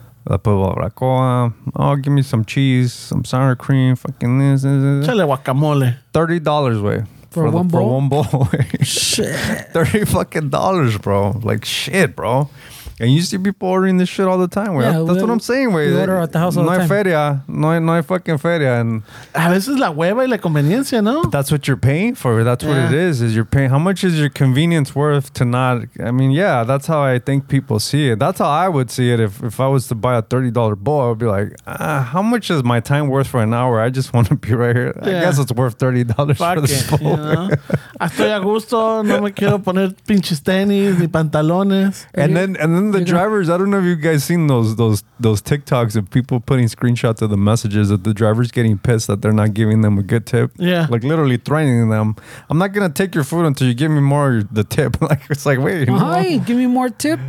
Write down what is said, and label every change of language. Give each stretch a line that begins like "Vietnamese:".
English: I put a racoa. Oh, give me some cheese, some sour cream, fucking this.
Spanish: Chale guacamole.
English: $30, way. For one bowl? For one bowl, way. Shit. $30, bro. Like, shit, bro. And you see people ordering this shit all the time. Yeah, that's what I'm saying. We order at the house all no the time.
Spanish: Feria. No hay fucking feria. And a veces la hueva y la conveniencia, ¿no?
English: That's what you're paying for. That's what it is you're paying. How much is your convenience worth to not? I mean, yeah, that's how I think people see it. That's how I would see it. If I was to buy a $30 bowl, I would be like, how much is my time worth for an hour? I just want to be right here. Yeah. I guess it's worth $30 for this bowl. You
Spanish: know? Estoy a gusto. No me quiero poner pinches tenis ni pantalones.
English: And then the drivers, I don't know if you guys seen those TikToks of people putting screenshots of the messages of the drivers getting pissed that they're not giving them a good tip. Yeah. Like literally threatening them. I'm not going to take your food until you give me more of the tip. Like, it's like, wait. Why? No. Give me more tip?